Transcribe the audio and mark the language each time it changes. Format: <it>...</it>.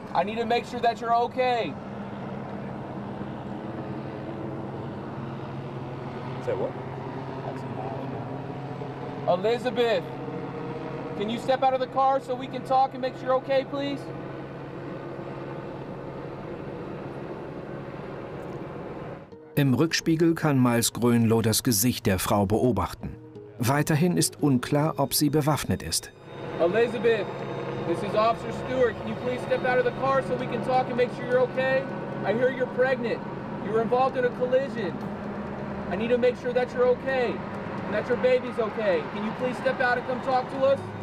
<en>I need to make sure that you're okay. Say what? Elizabeth, can you step out of the car so we can talk and make sure you're okay, please?</en> <de>Im Rückspiegel kann Miles Grönlo das Gesicht der Frau beobachten. Weiterhin ist unklar, ob sie bewaffnet ist.</de> <en>Elizabeth, this is Officer Stewart. Can you please step out of the car so we can talk and make sure you're okay? I hear you're pregnant. You were involved in a collision. I need to make sure that you're okay and that your baby's okay. Can you please step out and come talk to us?</en>